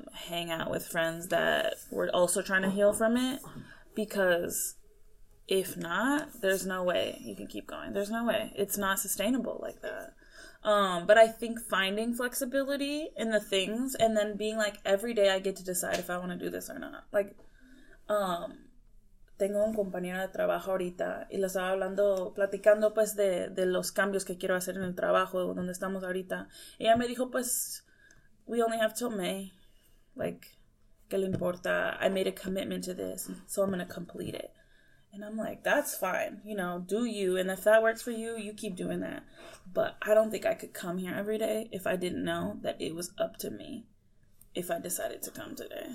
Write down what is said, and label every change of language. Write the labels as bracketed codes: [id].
[en] Hang out with friends that were also trying to heal from it, because if not, there's no way you can keep going. There's no way. It's not sustainable like that. But I think finding flexibility in the things and then being like, every day I get to decide if I want to do this or not. Like, [es] tengo un compañero de trabajo ahorita y le estaba hablando, platicando pues de los cambios que quiero hacer en el trabajo donde estamos ahorita. Y ella me dijo pues, [en] we only have till May. Like, [es] ¿qué le importa? [en] I made a commitment to this, so I'm going to complete it. And I'm like, that's fine. You know, do you. And if that works for you, you keep doing that. But I don't think I could come here every day if I didn't know that it was up to me if I decided to come today.